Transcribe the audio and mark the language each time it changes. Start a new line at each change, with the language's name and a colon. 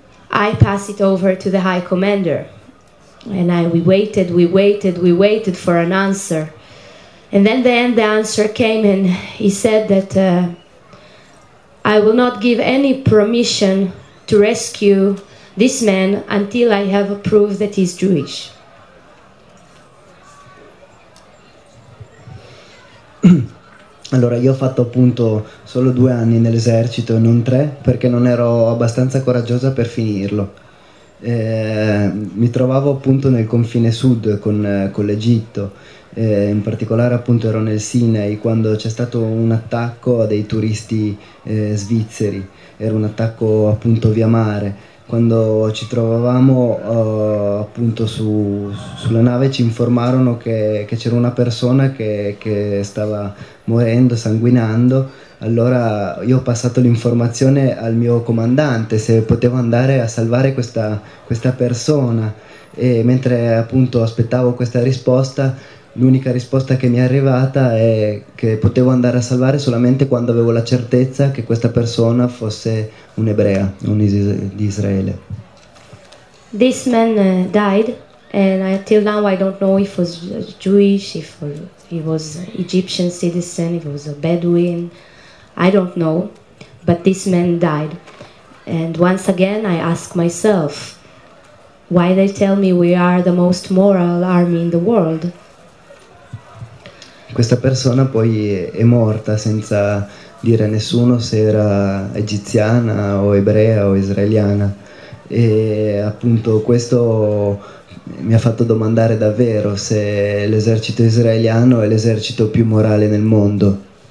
English: I pass it over to the high commander. And we waited for an answer. And then the answer came, and he said that I will not give any permission to rescue this man until I have a proof that he's Jewish.
Italian: Allora, io ho fatto appunto solo 2 anni nell'esercito e non 3, perché non ero abbastanza coraggiosa per finirlo. Mi trovavo appunto nel confine sud con l'Egitto, in particolare appunto ero nel Sinai quando c'è stato un attacco a dei turisti svizzeri. Era un attacco appunto via mare. Quando ci trovavamo appunto sulla nave, ci informarono che c'era una persona che stava morendo, sanguinando. Allora io ho passato l'informazione al mio comandante se potevo andare a salvare questa persona, e mentre appunto aspettavo questa risposta, l'unica risposta che mi è arrivata è che potevo andare a salvare solamente quando avevo la certezza che questa persona fosse un ebrea, un di Israele.
English: This man died, and until now I don't know if he was Jewish, if he was Egyptian citizen, if he was a Bedouin. I don't know, but this man died. And once again I ask myself, why they tell me we are the most moral army in the world?
Italian: Questa persona poi è morta senza dire a nessuno se era egiziana o ebrea o israeliana, e appunto questo mi ha fatto domandare davvero se l'esercito israeliano è l'esercito più morale nel mondo.